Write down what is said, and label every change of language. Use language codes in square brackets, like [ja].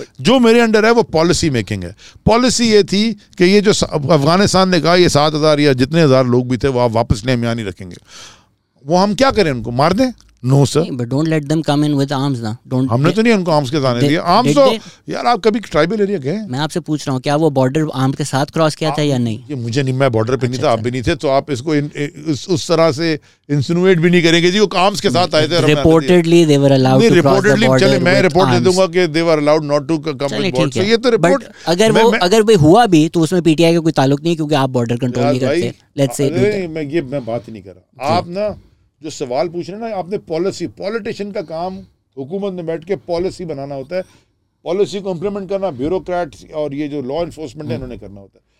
[ur] جو میرے انڈر ہے وہ پالیسی میکنگ ہے. پالیسی یہ تھی کہ یہ جو افغانستان نے کہا یہ 7,000 یا جتنے ہزار لوگ بھی تھے وہ آپ واپس لیں, ہم یہاں نہیں رکھیں گے, وہ ہم کیا کریں ان کو مار دیں؟ [en] no sir, but don't let them come in with arms نا, don't, [ur] ہم نے تو نہیں ان کو آرمز کے جانے دیے. آرمز تو یار آپ کبھی ٹرائبل ایریا گئے؟ میں آپ سے پوچھ رہا ہوں کیا وہ بارڈر آرم کے ساتھ کراس کیا تھا یا نہیں؟ یہ مجھے نہیں, میں بارڈر پہ نہیں تھا, آپ بھی نہیں تھے, تو آپ اس کو اس طرح سے انسنویٹ بھی نہیں کریں گے. جی وہ آرمز کے ساتھ آئے تھے, [en] Reportedly they were allowed to cross the border. [ur] چلیں میں رپورٹ دے دوں گا کہ [en] they were allowed not to come in border, [ur] سو یہ تو رپورٹ. اگر وہ اگر بھی ہوا بھی تو اس میں پی ٹی آئی کا کوئی تعلق نہیں, کیونکہ آپ بارڈر کنٹرول نہیں کرتے. [en] let's سے [ur] میں یہ میں بات نہیں کر رہا, آپ نا جو سوال پوچھ رہے ہیں نا, آپ نے پالیسی, پولیٹیشین کا کام حکومت میں بیٹھ کے پالیسی بنانا ہوتا ہے, پالیسی کو امپلیمنٹ کرنا بیوروکریٹس اور یہ جو لا انفورسمنٹ ہے انہوں نے کرنا ہوتا ہے.